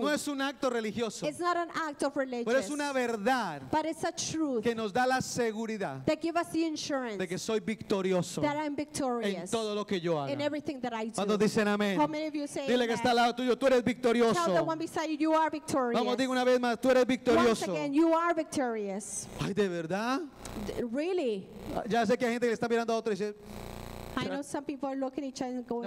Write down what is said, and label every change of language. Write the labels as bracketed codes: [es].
[es] no es un acto religioso [en] it's not an act of religious, [es] pero es una verdad [en] but it's a truth [es] que nos da la seguridad [en] that give us the insurance [es] de que soy victorioso [en] that I'm victorious [es] en todo lo que yo haga [en] in everything that I do. [es] Cuando dicen amén [en] how many of you say [es] dile [en] amen. [es] Que está al lado tuyo tú eres victorioso [en] tell the one beside you, you are victorious. [es] Vamos, digo una vez más tú eres victorioso victorioso. [en] Once again, you are victorious. [es] Ay, de verdad. [en] Really. [es] Ya sé que hay gente que le está mirando a otro y dice. [en] I know some people are looking at each other and going,